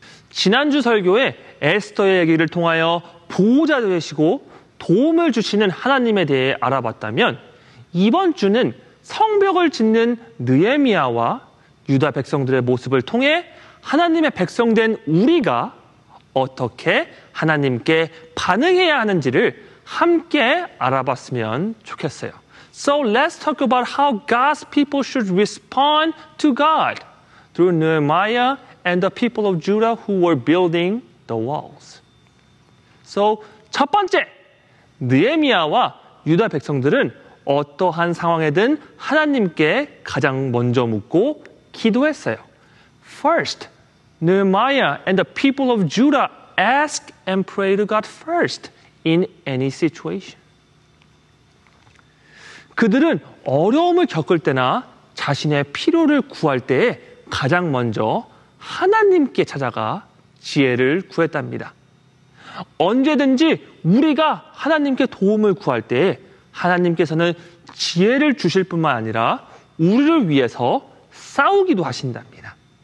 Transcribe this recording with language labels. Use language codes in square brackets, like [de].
[ko] 지난주 설교에 에스더의 얘기를 통하여 보호자 되시고 도움을 주시는 하나님에 대해 알아봤다면 이번 주는 성벽을 짓는 느헤미야와 유다 백성들의 모습을 통해 하나님의 백성 된 우리가 어떻게 하나님께 반응해야 하는지를 함께 알아봤으면 좋겠어요. [en] So let's talk about how God's people should respond to God through Nehemiah and the people of Judah who were building the walls. [ko] So 첫 번째, 느헤미야와 유다 백성들은 어떠한 상황에든 하나님께 가장 먼저 묻고 기도했어요. [en] First, Nehemiah and the people of Judah ask and pray to God first in any situation. [ko] 그들은 어려움을 겪을 때나 자신의 필요를 구할 때에 가장 먼저 하나님께 찾아가 지혜를 구했답니다. 언제든지 우리가 하나님께 도움을 구할 때에 하나님께서는 지혜를 주실 뿐만 아니라 우리를 위해서 싸우기도 하신답니다.